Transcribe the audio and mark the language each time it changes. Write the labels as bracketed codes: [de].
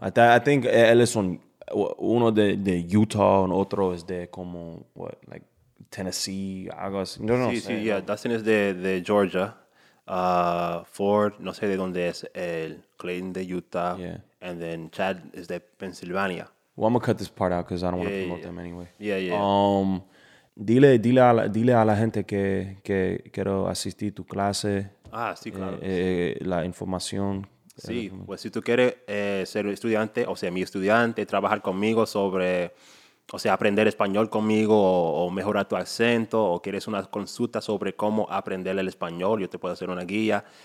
[en] I think [es] él es uno de Utah, y otro es de como, [en] what, like [es] Tennessee, algo así. No, sí, no sí, sé, [en] yeah. [es] No. Dustin es de Georgia. Ford, no sé de dónde es el Clayton de Utah. [en] Yeah. And then Chad is [es] de [en] Pennsylvania. Well, I'm going to cut this part out because I don't want to promote them anyway. Yeah, yeah. [es] Dile a la gente que quiero asistir a tu clase. Ah, sí, claro. La información. Sí, pues si tú quieres ser estudiante, o sea, mi estudiante, trabajar conmigo sobre, o sea, aprender español conmigo o mejorar tu acento, o quieres una consulta sobre cómo aprender el español, yo te puedo hacer una guía.